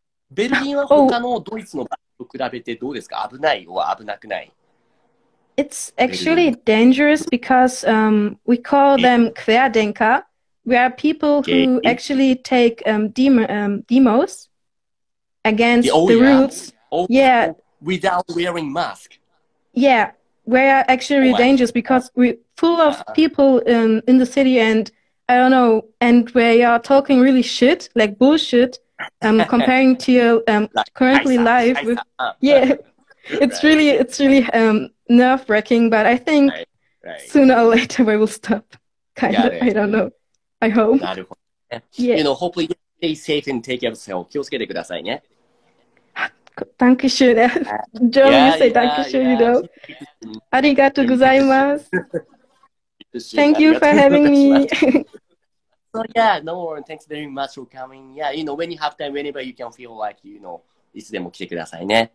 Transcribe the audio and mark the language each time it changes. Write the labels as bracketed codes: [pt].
[ja] ベルギンは他のドイツの場所と比べてどうですか危ないは危なくない [en] It's actually dangerous because we call them Querdenker. We are people who actually take demos against the rules. Without wearing mask. Yeah, we are actually really dangerous because we're full of people in the city and I don't know, and we are talking really shit, like bullshit, comparing to your currently life. It's really nerve-wracking, but I think sooner or later we will stop. I don't know. I hope. Yeah. You know, hopefully you stay safe and take care of yourself. [ja] 気をつけてくださいね。 [en] Thank you, Joe. Thank you, you know. [ja] Arigato gozaimasu. [en] Thank you for having me. So yeah, no worries. Thanks very much for coming. Yeah, you know, when you have time, whenever you can feel like, you know, [ja] いつでも来てくださいね。